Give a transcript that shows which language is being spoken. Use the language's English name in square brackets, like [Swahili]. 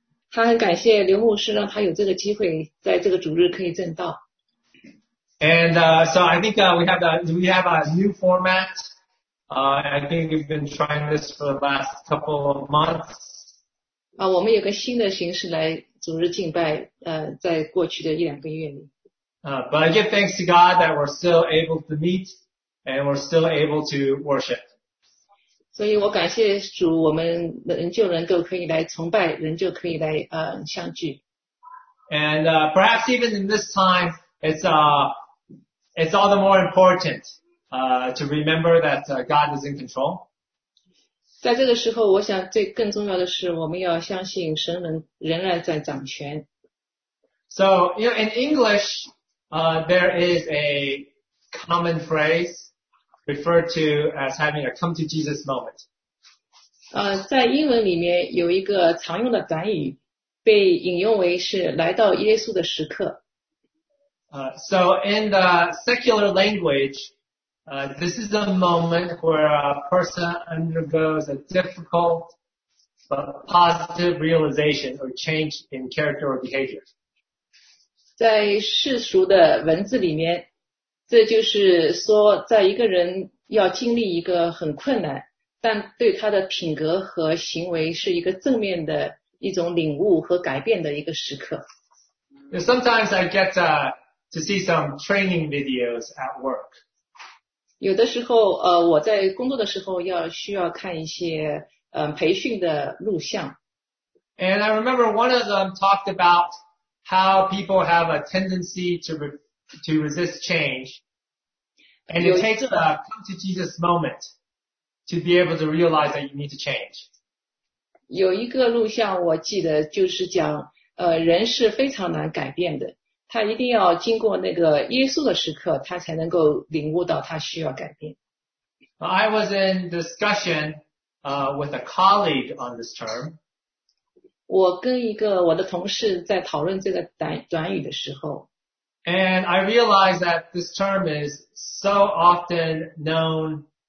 [Chinese] 他很感谢刘牧师，让他有这个机会在这个主日可以证道。 [English] And so I think we have a new format. I think we've been trying this for the last couple of months. [Chinese] 我们有个新的形式来主日敬拜，在过去的一两个月里。 [English] But I give thanks to God that we're still able to meet and we're still able to worship. [Chinese] 所以我感谢主，我们仍旧能够可以来崇拜，仍旧可以来相聚。 [English] And perhaps even in this time, it's all the more important to remember that God is in control. [Chinese] 在这个时候，我想最更重要的是，我们要相信神仍然在掌权。 [English] So, you know, in English, there is a common phrase referred to as having a come to Jesus moment. [Chinese] 在英文里面有一个常用的短语，被引用为是来到耶稣的时刻。 [English] So in the secular language, this is a moment where a person undergoes a difficult but positive realization or change in character or behavior. [Chinese] 在世俗的文字里面，这就是说，在一个人要经历一个很困难，但对他的品格和行为是一个正面的一种领悟和改变的一个时刻。 [English] Sometimes I get to see some training videos at work. [Chinese] 有的时候，我在工作的时候要需要看一些培训的录像。 [English] And I remember one of them talked about how people have a tendency to resist change. And it takes a come to Jesus moment to be able to realize that you need to change. [Chinese] 有一个录像我记得就是讲，人是非常难改变的，他一定要经过那个耶稣的时刻，他才能够领悟到他需要改变。 [English] I was in discussion, with a colleague on this term. [Chinese] 我跟一个我的同事在讨论这个短语的时候。 [English] And I realized that this term is so often known